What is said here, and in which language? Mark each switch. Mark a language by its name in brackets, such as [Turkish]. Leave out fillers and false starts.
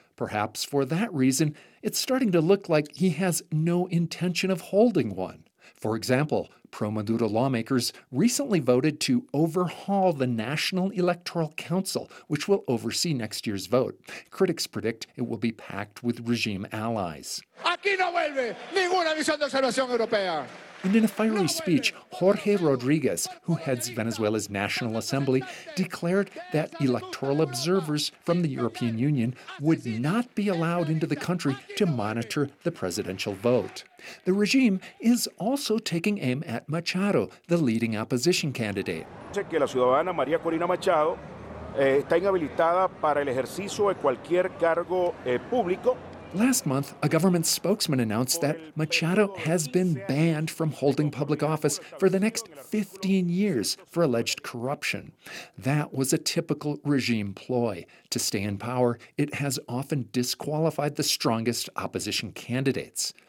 [English] Perhaps for that reason, it's starting to look like he has no intention of holding one. For example, pro-Maduro lawmakers recently voted to overhaul the National Electoral Council, which will oversee next year's vote. Critics predict it will be packed with regime allies. [Spanish] Aquí no vuelve ninguna misión de observación europea. [English] And in a fiery speech, Jorge Rodriguez, who heads Venezuela's National Assembly, declared that electoral observers from the European Union would not be allowed into the country to monitor the presidential vote. The regime is also taking aim at Machado, the leading opposition candidate. [Spanish] La ciudadana María Corina Machado está inhabilitada para el ejercicio de cualquier cargo público. [English] Last month, a government spokesman announced that Machado has been banned from holding public office for the next 15 years for alleged corruption. That was a typical regime ploy. To stay in power, it has often disqualified the strongest opposition candidates.